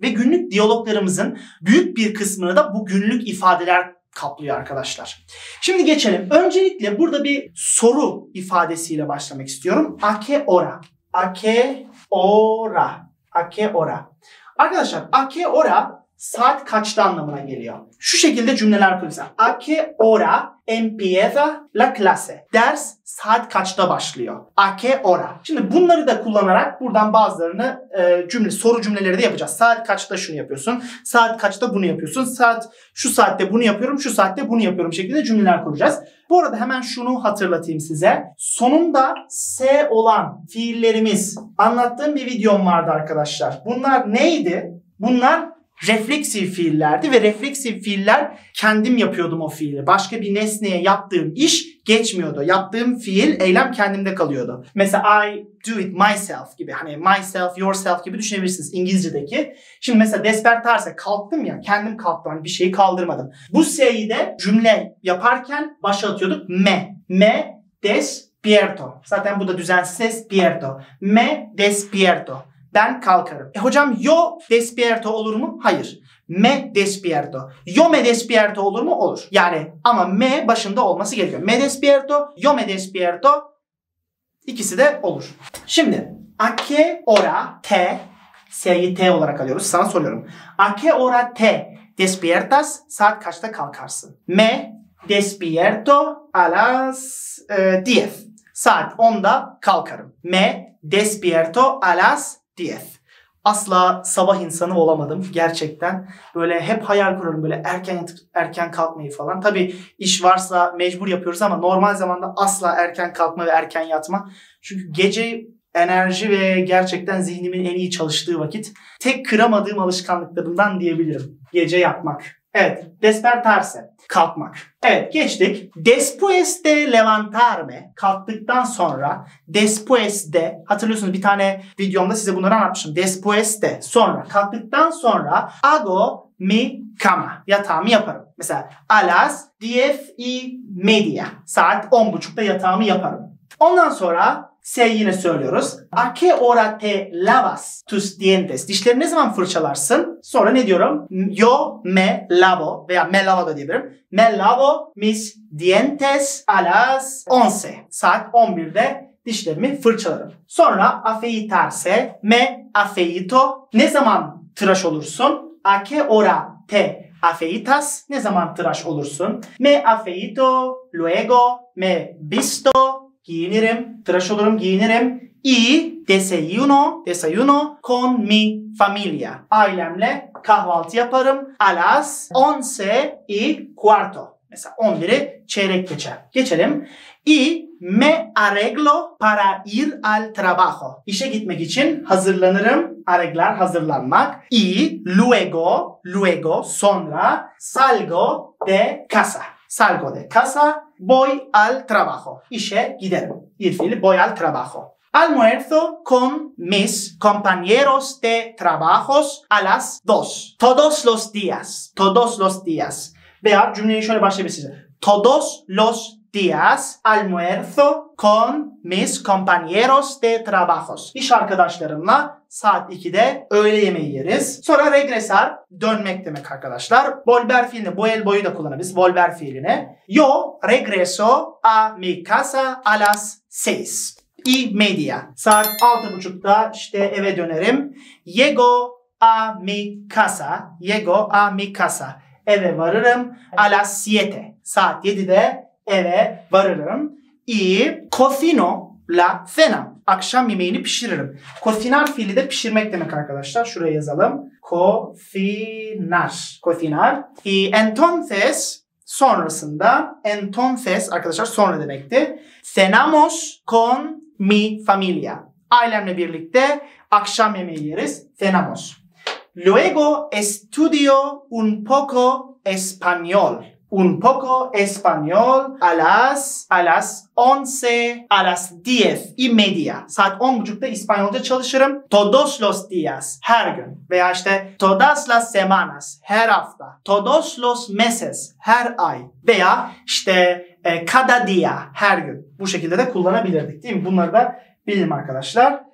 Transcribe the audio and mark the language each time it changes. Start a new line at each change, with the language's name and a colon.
Turkish: Ve günlük diyaloglarımızın büyük bir kısmını da bu günlük ifadeler kaplıyor arkadaşlar. Şimdi geçelim. Öncelikle burada bir soru ifadesiyle başlamak istiyorum.
Spanish: A qué hora? A qué hora? A qué hora?
Turkish: Arkadaşlar,
Spanish: a qué hora
Turkish: saat kaçta anlamına geliyor. Şu şekilde cümleler kuracağım.
Spanish: A qué hora empieza la clase?
Turkish: Ders saat kaçta başlıyor?
Spanish: A qué hora?
Turkish: Şimdi bunları da kullanarak buradan bazılarını cümle soru cümleleri de yapacağız. Saat kaçta şunu yapıyorsun? Saat kaçta bunu yapıyorsun? Saat şu saatte bunu yapıyorum, şu saatte bunu yapıyorum şeklinde cümleler kuracağız. Bu arada hemen şunu hatırlatayım size. Sonunda S olan fiillerimiz anlattığım bir videom vardı arkadaşlar. Bunlar neydi? Bunlar refleksif fiillerdi ve refleksif fiiller kendim yapıyordum o fiili. Başka bir nesneye yaptığım iş geçmiyordu. Yaptığım fiil, eylem kendimde kalıyordu. Mesela
English: I do it myself
Turkish: gibi. Hani myself, yourself gibi düşünebilirsiniz İngilizce'deki. Şimdi mesela despertarse kalktım ya, kendim kalktım. Hani bir şeyi kaldırmadım. Bu S'yi de cümle yaparken başa atıyorduk.
Spanish: Me. Me despierto.
Turkish: Zaten bu da düzensiz despierto.
Spanish: Me despierto.
Turkish: Ben kalkarım. Hocam
Spanish: yo despierto
Turkish: olur mu? Hayır.
Spanish: Me despierto. Yo me despierto
Turkish: olur mu? Olur. Yani ama me başında olması gerekiyor.
Spanish: Me despierto, yo me despierto.
Turkish: İkisi de olur. Şimdi a qué hora te, S'yi T olarak alıyoruz. Sana soruyorum.
Spanish: A qué hora te despiertas?
Turkish: Saat kaçta kalkarsın?
Spanish: Me despierto a las 10.
Turkish: Saat 10'da kalkarım.
Spanish: Me despierto a las 10.
Turkish: Asla sabah insanı olamadım gerçekten. Böyle hep hayal kurarım böyle erken yatıp erken kalkmayı falan. Tabii iş varsa mecbur yapıyoruz ama normal zamanda asla erken kalkma ve erken yatma. Çünkü gece enerji ve gerçekten zihnimin en iyi çalıştığı vakit. Tek kıramadığım alışkanlıklarımdan diyebilirim. Gece yatmak. Evet, despertarse kalkmak. Evet, geçtik.
Spanish: Después de levantarme,
Turkish: kalktıktan sonra, después de, hatırlıyorsunuz bir tane videomda size bunları anlatmıştım.
Spanish: Después de,
Turkish: sonra, kalktıktan sonra,
Spanish: hago mi cama,
Turkish: yatağımı yaparım. Mesela,
Spanish: a las diez y media,
Turkish: saat 10.30'da yatağımı yaparım. Ondan sonra, yine söylüyoruz.
Spanish: A qué hora te lavas tus dientes?
Turkish: Dişlerini ne zaman fırçalarsın? Sonra ne diyorum?
Spanish: Yo me lavo
Turkish: veya
Spanish: me lavo
Turkish: da diyebilirim.
Spanish: Me lavo mis dientes a las 11.
Turkish: Saat 11'de dişlerimi fırçalarım.
Spanish: Sonra afeitarse me afeito.
Turkish: Ne zaman tıraş olursun?
Spanish: A qué hora te afeitas?
Turkish: Ne zaman tıraş olursun?
Spanish: Me afeito luego me visto.
Turkish: Giyinirim, tıraş olurum, giyinirim.
Spanish: Y desayuno, desayuno con mi familia.
Turkish: Ailemle kahvaltı yaparım.
Spanish: A las 11 y cuarto.
Turkish: Mesela 11'i çeyrek geçe. Geçelim.
Spanish: Y me arreglo para ir al trabajo.
Turkish: İşe gitmek için hazırlanırım.
Spanish: Arreglar,
Turkish: hazırlanmak.
Spanish: Y luego, luego,
Turkish: sonra
Spanish: salgo de casa. Salgo de casa, voy al trabajo.
Turkish: İşe giderim.
Spanish: Y fili, voy al trabajo. Almuerzo con mis compañeros de trabajos a las 2. Todos los días. Todos los días.
Turkish: Veya cümleyi şöyle başlayabilirsiniz.
Spanish: Todos los días almuerzo con mis compañeros de trabajos.
Turkish: İş arkadaşlarımla saat 2'de öğle yemeği yeriz. Sonra regresar, dönmek demek arkadaşlar. Volver fiilini, bu el boyu da kullanabiliriz. Volver fiilini.
Spanish: Yo regreso a mi casa a las 6 y media.
Turkish: Saat 6.30'da işte eve dönerim.
Spanish: Llego a mi casa. Llego a mi casa.
Turkish: Eve varırım
Spanish: a las 7.
Turkish: Saat 7'de eve varırım.
Spanish: Y cocino la cena.
Turkish: Akşam yemeğini pişiririm. Cocinar fiili de pişirmek demek arkadaşlar. Şuraya yazalım. Cocinar. Cocinar.
Spanish: Y entonces,
Turkish: sonrasında, entonces arkadaşlar sonra demekti.
Spanish: Cenamos con mi familia.
Turkish: Ailemle birlikte akşam yemeği yeriz.
Spanish: Cenamos. Luego estudio un poco español. Un poco español a las 11, a las 10 y media.
Turkish: Saat 10.30'da İspanyolca çalışırım.
Spanish: Todos los días,
Turkish: her gün. Veya işte
Spanish: todas las semanas,
Turkish: her hafta.
Spanish: Todos los meses,
Turkish: her ay. Veya işte
Spanish: cada día,
Turkish: her gün. Bu şekilde de kullanabilirdik, değil mi? Bunları da bilirim arkadaşlar.